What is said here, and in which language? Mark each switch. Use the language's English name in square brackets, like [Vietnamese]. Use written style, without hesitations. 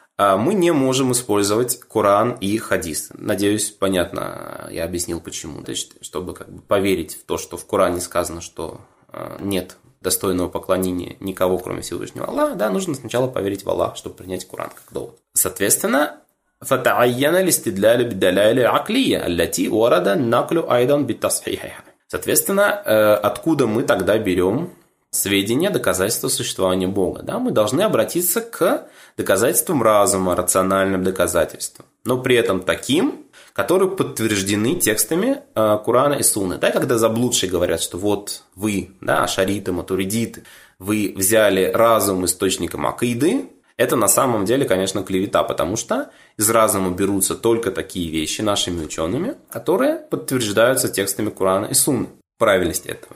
[Russian] мы не можем использовать Коран и хадис. Надеюсь, понятно, я объяснил почему. То есть, чтобы как бы поверить в то, что в Коране сказано, что нет достойного поклонения никого, кроме Всевышнего Аллаха, да, нужно сначала поверить в Аллах, чтобы принять Коран как довод. [Arabic] Соответственно, فَتَعَيَّنَ الْإِسْتِدْلَالُ بِالدَّلَائِلِ الْعَقْلِيَّةِ الَّتِي وَرَدَ النَّقْلُ أَيْضًا بِالتَّصْحِيحِهَا. [Russian] Соответственно, откуда мы тогда берем сведения, доказательства существования Бога? Да, мы должны обратиться к доказательствам разума, рациональным доказательствам, но при этом таким, которые подтверждены текстами Корана и Сунны. Да, когда заблудшие говорят, что вот вы, да, ашариты, матуридиты, вы взяли разум источником акиды, это на самом деле, конечно, клевета, потому что из разума берутся только такие вещи нашими учеными, которые подтверждаются текстами Корана и Сунны. Правильность этого.